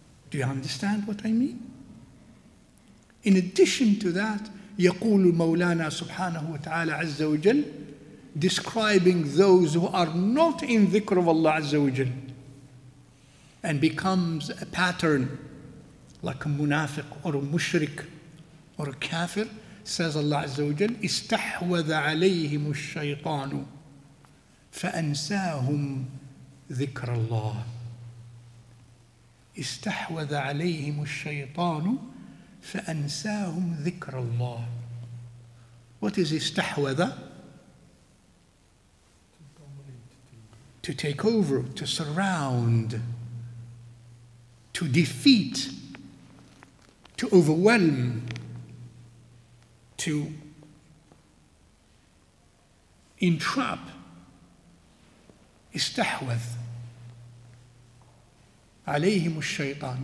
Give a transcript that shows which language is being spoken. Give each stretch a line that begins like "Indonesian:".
English: Do you understand what I mean? In addition to that,
Arabic: يقول مولانا سبحانه وتعالى عز وجل,
English: describing those who are not in dhikr of Allah عز وجل, and becomes a pattern like a munafiq or a mushrik or a kafir, says Allah Azza wa Jal,
Arabic: استحوذ عليهم الشيطان فأنساهم ذكر الله. استحوذ عليهم الشيطان فأنساهم ذكر الله.
English: What is استحوذ? To take over, to surround, to defeat, to overwhelm, to entrap,
Arabic: istahwath, alayhim ash-shaytan.